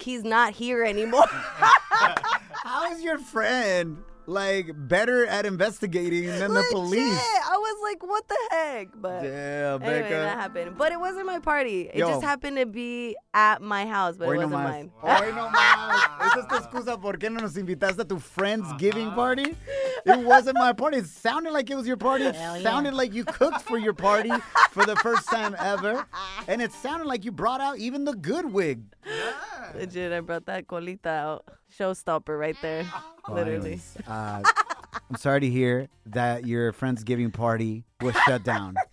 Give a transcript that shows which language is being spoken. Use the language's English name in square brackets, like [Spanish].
[English] He's not here anymore. How is your friend, like, better at investigating than legit the police? I was like, what the heck? But Becca. Anyway, that happened. But it wasn't my party. It just happened to be at my house, but [Spanish] hoy [English] it wasn't [Spanish] más [English] mine. [Spanish] Hoy no más. ¿Esa es tu excusa por qué no nos invitaste a tu Friendsgiving party? [English] It wasn't my party. It sounded like it was your party. Hell it sounded like you cooked for your party for the first time ever. And it sounded like you brought out even the good wig. Legit, I brought that colita out. Showstopper right there. Literally. I'm sorry to hear that your Friendsgiving party was shut down.